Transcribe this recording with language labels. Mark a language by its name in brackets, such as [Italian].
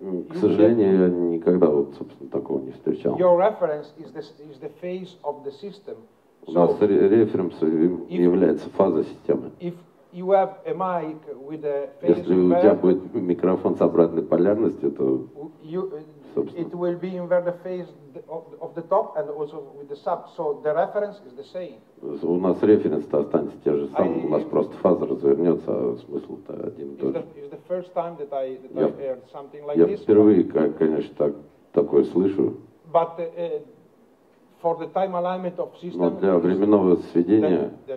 [Russian] к сожалению, я никогда вот собственно такого не встречал. [English] Your reference is the phase of the system. [Russian] У нас референс является фаза системы. [English] You have a mic with a phase [Russian] если у тебя будет микрофон с обратной полярностью, то [English] it will be inverted phase of the top and also with the sub, so the reference is the same. [Russian] У нас референс то останется те же самые, у нас просто фаза развернется, а смысл то один и тот же. [English] It's the first time that I heard something like [Russian] я [English] this. [Russian] Я впервые, конечно, такое слышу. [English] But for the time alignment of system. [Russian] Но для временного сведения.